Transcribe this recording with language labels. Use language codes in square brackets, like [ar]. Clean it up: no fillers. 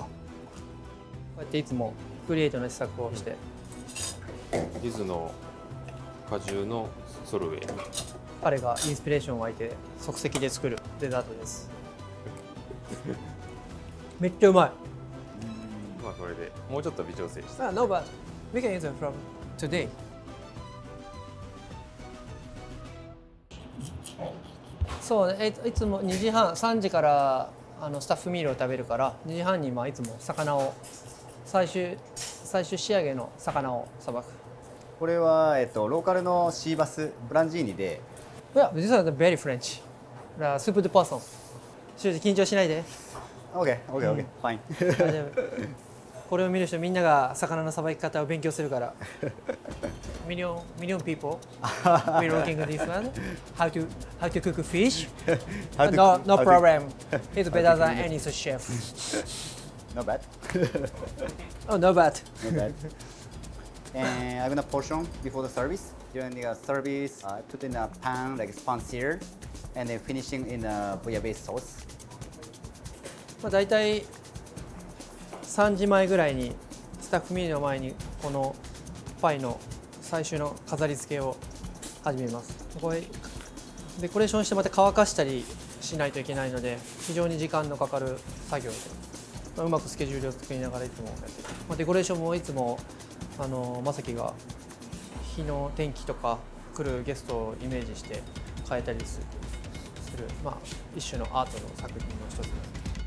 [ja] こうやっていつもクリエイトの試作をして。リズの果汁のソルベ。彼がインスピレーションを湧いて即席で作るデザートです。めっちゃうまい。まあこれでもうちょっと微調整して。 [en] No, but we can use it from today. [ja] そうね、いつも2時半、3時からあのスタッフミールを食べるから、2時半にまあいつも魚を、最終仕上げの魚をさばく。これは、ローカルのシーバス、ブランジーニで。いや、実は、 [en] very French. [ja] スープ・ド・パーソン。修司緊張しないで。 [en] OK、ファイン。 [ja] 大丈夫。これを見る人みんなが魚のさばき方を勉強するから。 [en] ミリオン people we looking at this one. How to cook fish? No problem. It's better than any sushi chef. No bad. Oh, no bad. No bad. And I'm gonna portion before the service. During the service, I put in a pan like pan sear, and then finishing in a bouillabaisse sauce. [ja] まあ大体3時前ぐらいにスタッフミーの前にこのパイの最終の飾り付けを始めます。これデコレーションしてまた乾かしたりしないといけないので非常に時間のかかる作業で、まあ、うまくスケジュールを作りながらいつもやって、まあ、デコレーションもいつもあのまさきが日の天気とか来るゲストをイメージして変えたりする、まあ、一種のアートの作品の一つです。